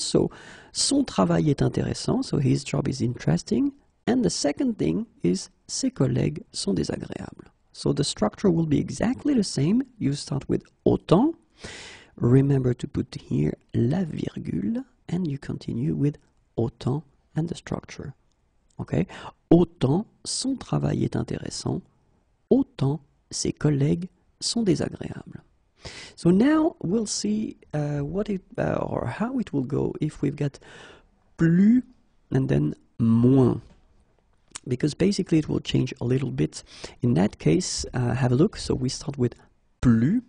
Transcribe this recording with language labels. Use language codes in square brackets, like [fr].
[en] So, [fr] son travail est intéressant. [en] So his job is interesting. And the second thing is [fr] ses collègues sont désagréables. [en] So the structure will be exactly the same. You start with autant. Remember to put here la virgule, and you continue with autant and the structure. Okay? [fr] Autant son travail est intéressant, autant ses collègues sont désagréables. [en] So now we'll see what it or how it will go if we've got plus and then moins. Because basically it will change a little bit. In that case, have a look. So we start with plus.